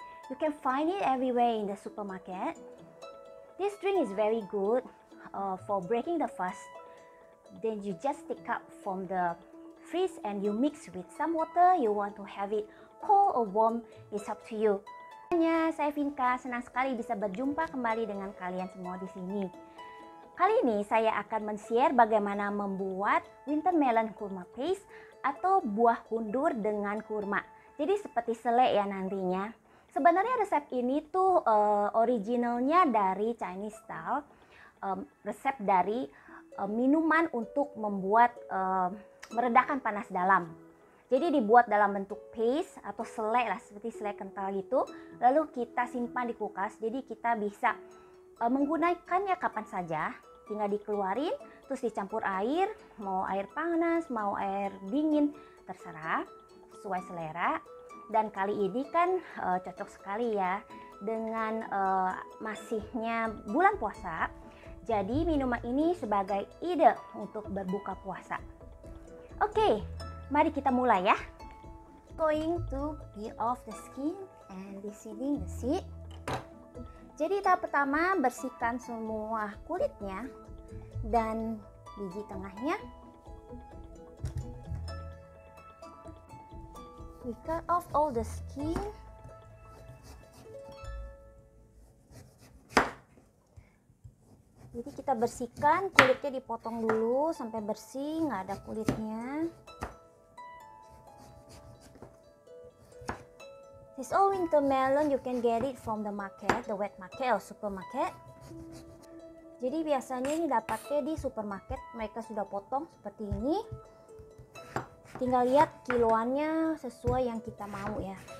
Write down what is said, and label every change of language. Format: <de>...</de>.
<en>You can find it everywhere in the supermarket. This drink is very good for breaking the fast. Then you just take up from the freeze and you mix with some water. You want to have it cold or warm, it's up to you.</en> <id>Hanya saya Vinca, senang sekali bisa berjumpa kembali dengan kalian semua di sini. Kali ini saya akan men-share bagaimana membuat Winter Melon Kurma Paste atau buah gundur dengan kurma. Jadi seperti selai ya nantinya. Sebenarnya resep ini tuh originalnya dari Chinese style, resep dari minuman untuk membuat meredakan panas dalam. Jadi dibuat dalam bentuk paste atau selai lah, seperti selai kental gitu. Lalu kita simpan di kulkas, jadi kita bisa menggunakannya kapan saja. Tinggal dikeluarin, terus dicampur air, mau air panas, mau air dingin, terserah, sesuai selera. Dan kali ini kan cocok sekali ya, dengan masihnya bulan puasa. Jadi minuman ini sebagai ide untuk berbuka puasa. Oke. Mari kita mulai ya.</id> <en>Going to peel off the skin and deseeding the seed.</en> <id>Jadi tahap pertama, bersihkan semua kulitnya dan biji tengahnya.</id> <en>We cut off all the skin.</en> <id>Jadi kita bersihkan kulitnya, dipotong dulu sampai bersih, nggak ada kulitnya.</id> <en>It's all winter melon, you can get it from the market, the wet market or supermarket.</en> <id>Jadi biasanya ini dapatnya di supermarket, mereka sudah potong seperti ini. Tinggal lihat kiloannya sesuai yang kita mau ya.</id>